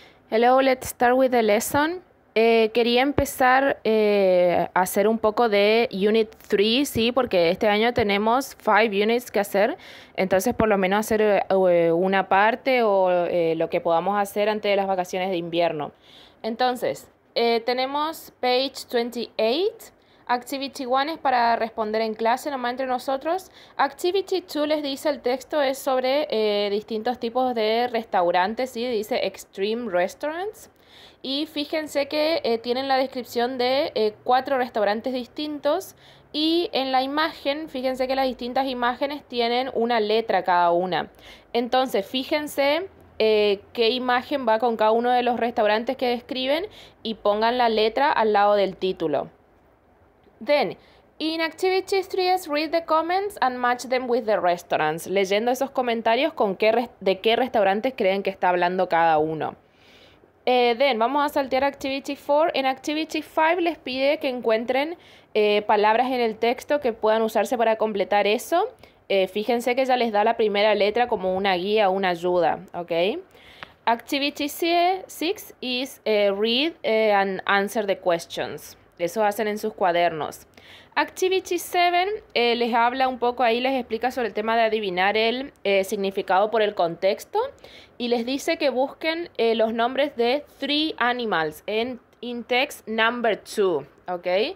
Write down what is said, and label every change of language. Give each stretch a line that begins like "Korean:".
English: Hello, let's start with the lesson.
Spanish: Quería empezar a hacer un poco de Unit 3, sí, porque este año tenemos 5 units que hacer. Entonces, por lo menos hacer una parte o lo que podamos hacer antes de las vacaciones de invierno. Entonces, tenemos page 28. Activity 1 es para responder en clase, nomás entre nosotros. Activity 2 les dice el texto, es sobre distintos tipos de restaurantes, ¿sí? Dice Extreme Restaurants. Y fíjense que tienen la descripción de cuatro restaurantes distintos. Y en la imagen, fíjense que las distintas imágenes tienen una letra cada una. Entonces, fíjense qué imagen va con cada uno de los restaurantes que describen y pongan la letra al lado del título.
English: Then, in Activity 3, read the comments and match them with the restaurants.
Spanish: Leyendo esos comentarios, con qué de qué restaurantes creen que está hablando cada uno. Then, vamos a saltear Activity 4. En Activity 5, les pide que encuentren palabras en el texto que puedan usarse para completar eso. Fíjense que ya les da la primera letra como una guía, una ayuda, ¿ok?
English: Activity 6 is read and answer the questions.
Spanish: Eso hacen en sus cuadernos. Activity 7 les habla un poco ahí, les explica sobre el tema de adivinar el significado por el contexto y les dice que busquen los nombres de three animals en
English: in text number 2,
Spanish: ¿ok?